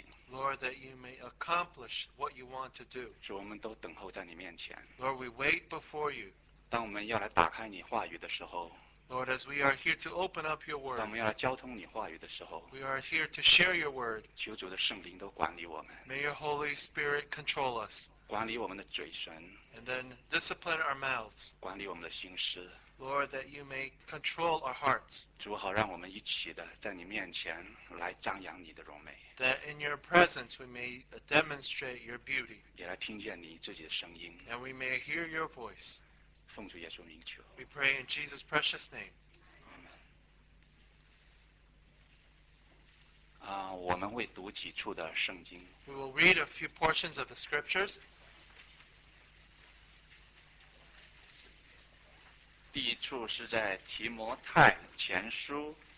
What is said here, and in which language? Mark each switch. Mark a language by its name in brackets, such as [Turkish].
[English] Lord, that you may accomplish what you want to do. [Chinese] 主，我们都等候在你面前。 [English] Lord, we wait before you. [Chinese] 当我们要来打开你话语的时候, [English] Lord, as we are here to open up your word, [Chinese] 当我们要来交通你话语的时候, [English] we are here to share your word. [Chinese] 求主的圣灵都管理我们。 [English] May your Holy Spirit control us. [Chinese] 管理我们的嘴唇, [English] and then discipline our mouths. [Chinese] 管理我们的心思。 [English] Lord, that you may control our hearts. [Chinese] 主好让我们一起的在你面前来张扬你的荣美。 [English] That in your presence we may demonstrate your beauty. [Chinese] 也来听见你自己的声音。 [English] And we may hear your voice. [Chinese] 奉主耶稣名求。 [English] We pray in Jesus' precious name. [Chinese] Amen. 我们会读几处的圣经。 [English] We will read a few portions of the scriptures. [Chinese] 第一处是在提摩太前书。